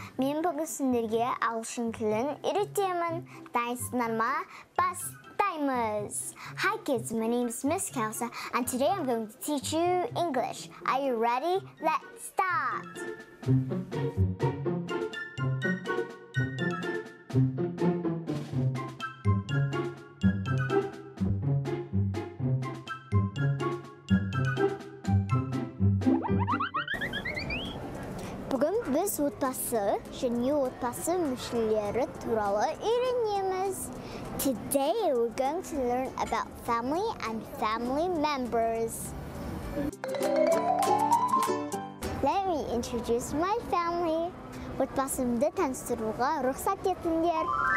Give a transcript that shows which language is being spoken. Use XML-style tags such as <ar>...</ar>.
<kk>Мен бүгін сіздерге ағылшын тілін үйретемін. Дайынсыңдар ма? Бастаймыз!</kk> <en>Hi kids, my name is Miss Kaussar and today I'm going to teach you English. Are you ready? Let's start!</en> <kk>Біз отбасы, және отбасы мүшелері туралы үйренеміз.</kk> <en>Today we're going to learn about family and family members. Let me introduce my family.</en> <kk>Отбасымды таныстыруға рұқсат етіңдер.</kk>